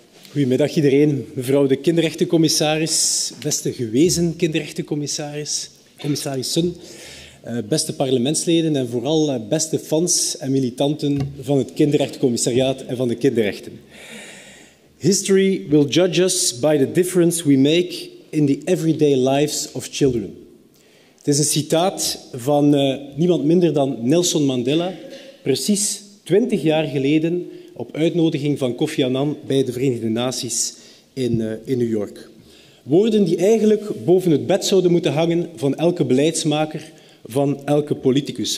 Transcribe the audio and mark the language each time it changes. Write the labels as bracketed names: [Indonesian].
[Dutch] Goedemiddag iedereen, mevrouw de kinderrechtencommissaris, beste gewezen kinderrechtencommissaris, commissarissen, beste parlementsleden en vooral beste fans en militanten van het kinderrechtencommissariaat en van de kinderrechten. [English] History will judge us by the difference we make in the everyday lives of children. [Dutch] Het is een citaat van niemand minder dan Nelson Mandela, precies 20 jaar geleden, op uitnodiging van Kofi Annan bij de Verenigde Naties in New York. Woorden die eigenlijk boven het bed zouden moeten hangen van elke beleidsmaker, van elke politicus.